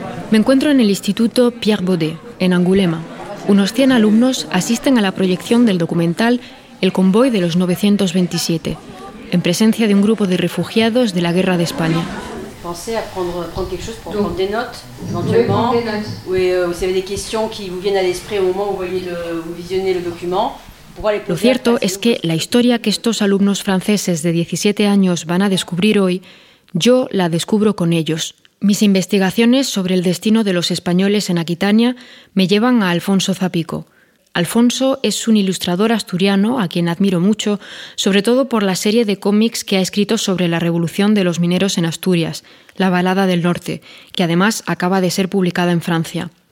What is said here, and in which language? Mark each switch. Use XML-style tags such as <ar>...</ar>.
<es>Me encuentro en el Instituto Pierre Baudet, en Angulema. Unos 100 alumnos asisten a la proyección del documental El convoy de los 927, en presencia de un grupo de refugiados de la Guerra de España.</es> <fr>Pensez à prendre quelque chose pour prendre des notes, éventuellement. Oui, vous avez des questions qui vous viennent à l'esprit au moment où vous visionnez le document.</fr> <es>Lo cierto es que la historia que estos alumnos franceses de 17 años van a descubrir hoy, yo la descubro con ellos. Mis investigaciones sobre el destino de los españoles en Aquitania me llevan a Alfonso Zapico. Alfonso es un ilustrador asturiano a quien admiro mucho, sobre todo por la serie de cómics que ha escrito sobre la revolución de los mineros en Asturias, La Balada del Norte, que además acaba de ser publicada en Francia.</es>